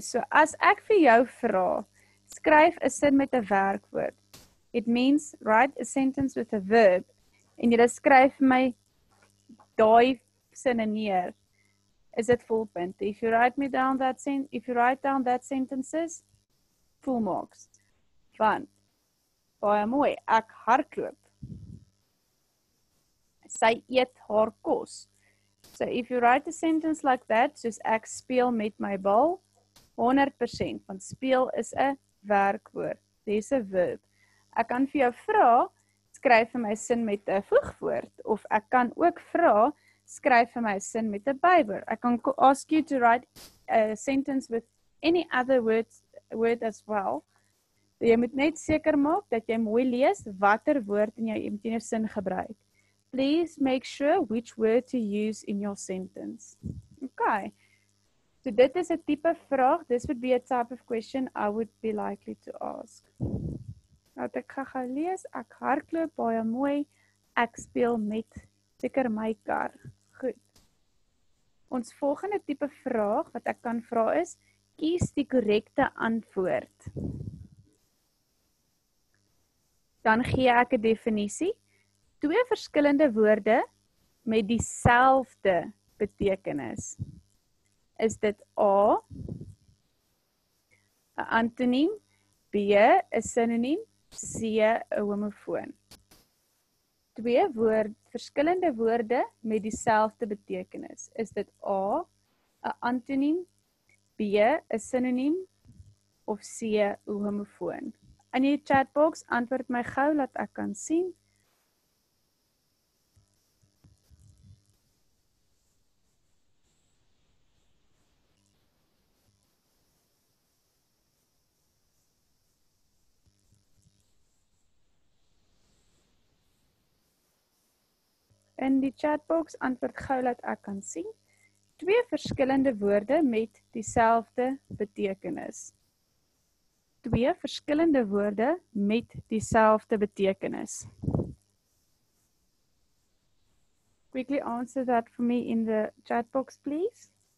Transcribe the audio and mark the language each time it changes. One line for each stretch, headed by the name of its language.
Afrikaans: So as ek vir jou vra, skryf 'n sin met 'n werkwoord.
English: It means write a sentence with a verb.
Afrikaans: En jy skryf my daai sin neer. Is dit volpunt?
English: If you write me down that sentence, if you write down that sentences, full marks.
Afrikaans: Want, baie mooi, ek hardloop. Sy eet haar kos.
English: So if you write a sentence like that,
Afrikaans: soos ek speel met my bal, 100%, want speel is 'n werkwoord.
English: There's a verb.
Afrikaans: Ek kan vir jou vra, skryf vir my sin met 'n voegwoord, of ek kan ook vra, skryf vir my sin met 'n bywoord.
English: I can ask you to write a sentence with any other word as well.
Afrikaans: Jy moet net seker maak dat jy mooi lees watter woord in jou imaginêre sin gebruik.
English: Please make sure which word to use in your sentence. Okay.
Afrikaans: So dit is 'n tipe vraag.
English: This would be a type of question I would be likely to ask.
Afrikaans: Nou ek gaan lees. Ek hardloop baie mooi. Ek speel met seker my kar. Goed. Ons volgende tipe vraag wat ek kan vra is, kies die korrekte antwoord. Dan gee ek 'n definisie. Twee verskillende woorde met dieselfde betekenis. Is dit A, 'n antoniem, B, 'n sinoniem, C, 'n homofoon. Twee woorde, verskillende woorde met dieselfde betekenis. Is dit A, 'n antoniem, B, 'n sinoniem of C, 'n homofoon? In die chatbox antwoord my gou dat ek kan sien. In die chatbox antwoord gou dat ek kan sien. Twee verskillende woorde met dieselfde betekenis. Twee verskillende woorde met dieselfde betekenis.
English: Quickly answer that for me in the chatbox, please.